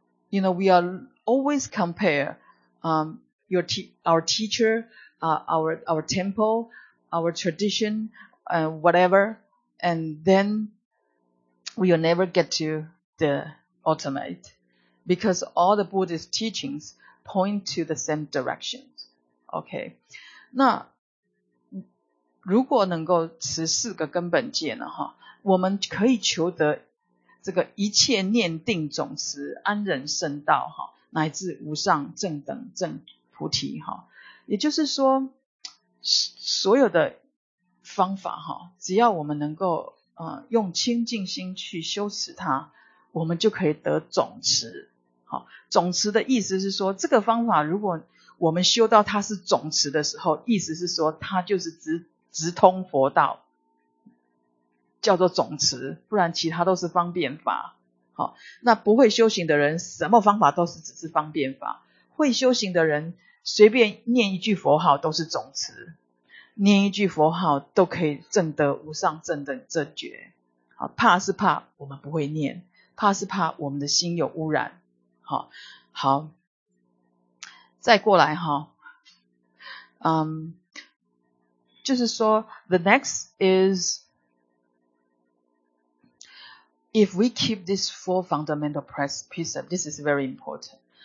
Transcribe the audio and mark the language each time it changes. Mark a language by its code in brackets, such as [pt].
[en] You know, we are always compare our teacher, our temple, our tradition, whatever, and then we will never get to the ultimate because all the Buddhist teachings point to the same direction. Okay. [zh] 那如果能够持四个根本戒呢，我们可以求得这个一切念定总持安忍圣道乃至无上正等正菩提。也就是说所有的方法只要我们能够用清净心去修持它，我们就可以得总持。总持的意思是说这个方法如果我们修到它是总持的时候，意思是说它就是直通佛道，叫做总持，不然其他都是方便法。好，那不会修行的人什么方法都是只是方便法，会修行的人随便念一句佛号都是总持，念一句佛号都可以证得无上正等正觉。好，怕是怕我们不会念，怕是怕我们的心有污染。好，好，再过来哈，就是说 [en] the next is if we keep these four fundamental precepts, this is very important.